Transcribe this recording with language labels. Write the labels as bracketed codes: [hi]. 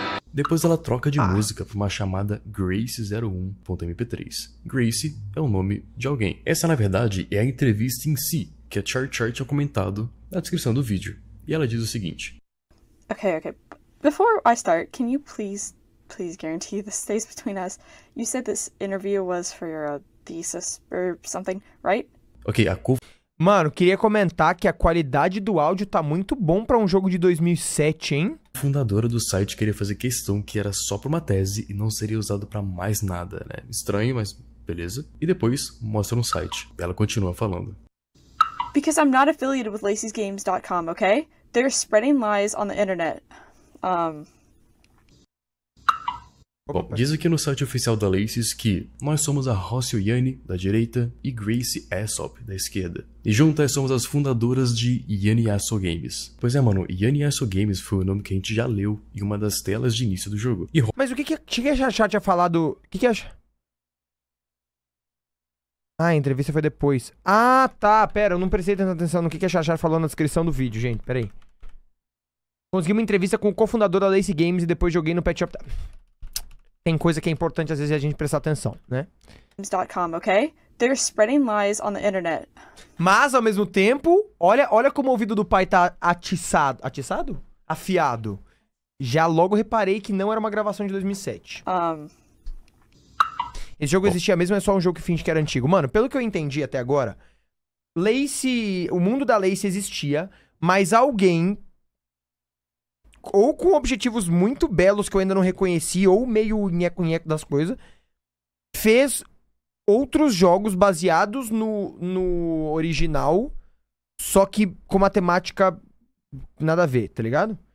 [pt] Depois ela troca de música pra uma chamada Grace01.mp3. Grace é o nome de alguém. Essa, na verdade, é a entrevista em si, que a Char Char tinha comentado na descrição do vídeo. E ela diz o seguinte. Ok. [en] Before I start, can you please... Please guarantee this stays between us. You said this interview was for your thesis or something, right? Ok, a [pt] mano, queria comentar que a qualidade do áudio tá muito bom pra um jogo de 2007, hein? A fundadora do site queria fazer questão que era só pra uma tese e não seria usado pra mais nada, né? Estranho, mas beleza. E depois, mostra no site. Ela continua falando. [en] Because I'm not affiliated with LaceysGames.com, ok? They're spreading lies on the internet. [pt] Bom, diz aqui no site oficial da Lacey's que nós somos a Rossio Yanni, da direita, e Grace Aesop, da esquerda. E juntas somos as fundadoras de Yanni Aesop Games. Pois é, mano, Yanni Aesop Games foi o nome que a gente já leu em uma das telas de início do jogo. E mas o que que a chat tinha falado? O que que a... Ah, a entrevista foi depois. Ah, tá, pera, eu não prestei tanta atenção no que a chat falou na descrição do vídeo, gente, peraí. Consegui uma entrevista com o cofundador da Lacey Games e depois joguei no Pet Shop... Tem coisa que é importante às vezes a gente prestar atenção, né? [en] .com, okay? They're spreading lies on the internet. [pt] Mas ao mesmo tempo, olha como o ouvido do pai tá atiçado, atiçado? Afiado. Já logo reparei que não era uma gravação de 2007. Esse jogo existia mesmo, é só um jogo que finge que era antigo. Mano, pelo que eu entendi até agora, Lacey, o mundo da Lacey existia, mas alguém ou com objetivos muito belos que eu ainda não reconheci, ou meio nheco-nheco das coisas, fez outros jogos baseados no original, só que com uma temática nada a ver, tá ligado?